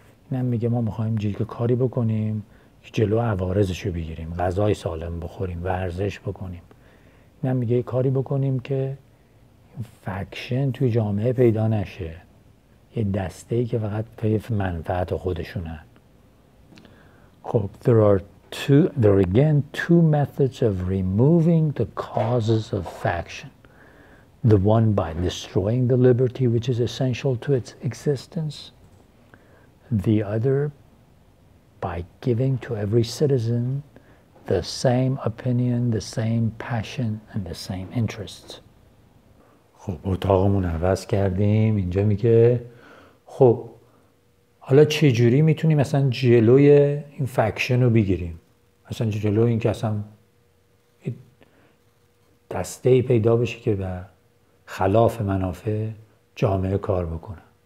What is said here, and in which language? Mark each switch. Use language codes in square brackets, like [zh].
[fa] اینم میگه ما میخواییم جلو کاری بکنیم که جلو عوارضشو بگیریم، غذای سالم بخوریم، ورزش بکنیم. اینم میگه کاری بکنیم که فکشن توی جامعه پیدا نشه، یه دسته ای که فقط پی منفعت خودشونن. [en] خب there are again two methods of removing the causes of faction. The one by destroying the liberty which is essential to its existence. The other by giving to every citizen the same opinion, the same passion, and the same interests. [fa] خب اتاقمون عوض کردیم. اینجا میگه خب حالا چه جوری میتونیم مثلا جلوی این فکشن رو بگیریم؟ مثلا جلوی این که اصلا دسته ای پیدا بشه که به خلاف منافع جامعه کار بکنه.